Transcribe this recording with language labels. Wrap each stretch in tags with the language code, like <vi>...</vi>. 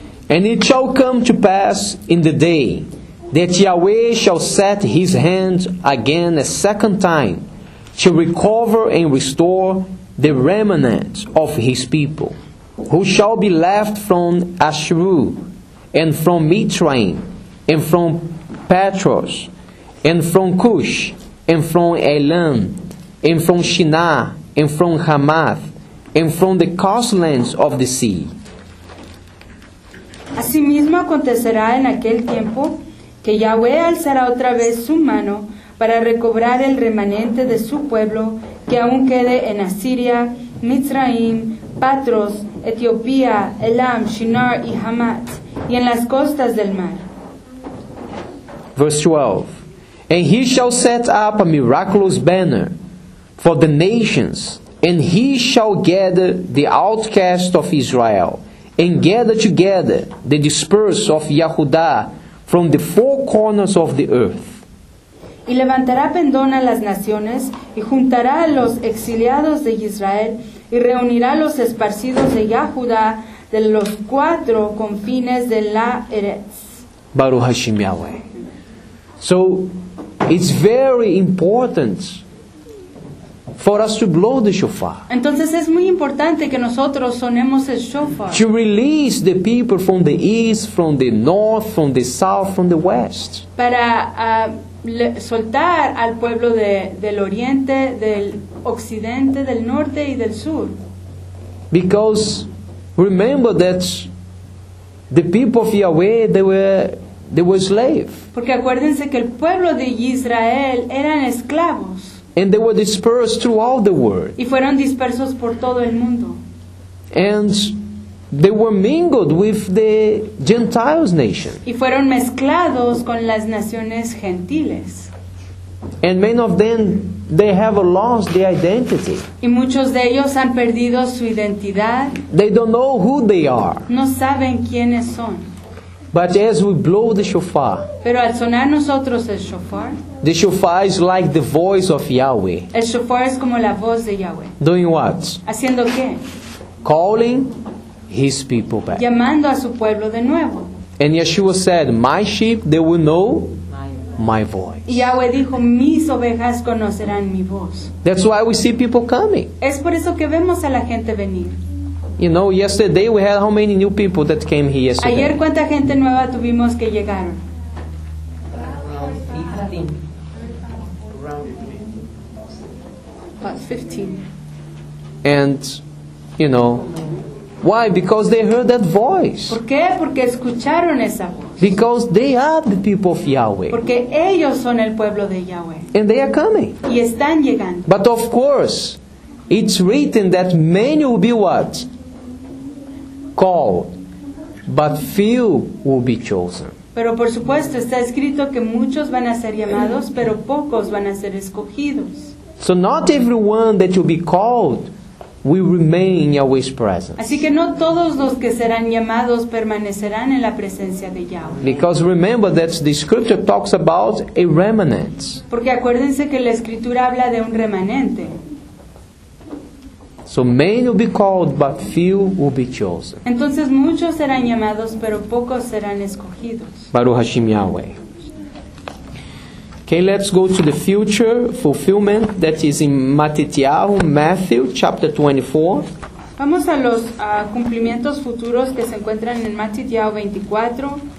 <en>And it shall come to pass in the day that Yahweh shall set his hand again a second time to recover and restore the remnant of his people, who shall be left from Ashuru and from Mitraim and from Petros and from Cush and from Elam and from Shinar and from Hamath and from the coastlands of the sea.</en> <es>Asimismo acontecerá en aquel tiempo que Yahweh alzará otra vez su mano para recobrar el remanente de su pueblo que aún quede en Asiria, Mitzrayim, Patros, Etiopía, Elam, Shinar y Hamat, y en las costas del mar.</es> <en>Verse 12. And he shall set up a miraculous banner for the nations, and he shall gather the outcast of Israel, and gather together the dispersed of Yehuda from the four corners of the earth.</en> <es>Y levantará pendón a las naciones, y juntará a los exiliados de Israel, y reunirá los esparcidos de Yehuda de los cuatro confines de la Eretz.</es> <he>Baruch Hashem Yahweh.</he> <en>So, it's very important for us to blow the shofar.</en> <es>Entonces es muy importante que nosotros sonemos el shofar.</es> <en>To release the people from the east, from the north, from the south, from the west.</en> <es>Para soltar al pueblo del oriente, del occidente, del norte y del sur.</es> <en>Because remember that the people of Yahweh, they were slaves.</en> <es>Porque acuérdense que el pueblo de Israel eran esclavos.</es> <en>And they were dispersed throughout the world.</en> <es>Y fueron dispersos por todo el mundo.</es> <en>And they were mingled with the Gentiles nation.</en> <es>Y fueron mezclados con las naciones gentiles.</es> <en>And many of them, they have lost their identity.</en> <es>Y muchos de ellos han perdido su identidad.</es> <en>They don't know who they are.</en> <es>No saben quiénes son.</es> <en>But as we blow the shofar,</en> <es>pero al sonar nosotros el shofar,</es> <en>the shofar is like the voice of Yahweh.</en> <es>El shofar es como la voz de Yahweh.</es> <en>Doing what?</en> <es>Haciendo qué?</es> <en>Calling his people back.</en> <es>Llamando a su pueblo de nuevo.</es> <en>And Yeshua said, "My sheep, they will know my voice."</en> <es>Y Yahweh dijo, "Mis ovejas conocerán mi voz."</es> <en>That's why we see people coming.</en> <es>Es por eso que vemos a la gente venir.</es> <en>You know, yesterday we had how many new people that came here yesterday?</en> <es>Ayer, ¿cuánta gente nueva tuvimos que llegaron?</es> <en>About 15. And, you know, why? Because they heard that voice.</en> <es>¿Por qué? Porque escucharon esa voz.</es> <en>Because they are the people of Yahweh.</en> <es>Porque ellos son el pueblo de Yahweh.</es> <en>And they are coming.</en> <es>Y están llegando.</es> <en>But of course, it's written that many will be what? Called, but few will be chosen.</en> <es>Pero por supuesto está escrito que muchos van a ser llamados, pero pocos van a ser escogidos.</es> <en>So not everyone that will be called will remain in Yahweh's presence.</en> <es>Así que no todos los que serán llamados permanecerán en la presencia de Yahweh.</es> <en>Because remember that the scripture talks about a remnant.</en> <es>Porque acuérdense que la escritura habla de un remanente.</es> <en>So many will be called, but few will be chosen.</en> <es>Entonces muchos serán llamados, pero pocos serán escogidos.</es> <he>Baruch Hashem Yahweh.</he> <en>Okay, let's go to the future fulfillment that is in Matityahu, Matthew chapter 24.</en> <es>Vamos a los cumplimientos futuros que se encuentran en Matityahu 24.</es>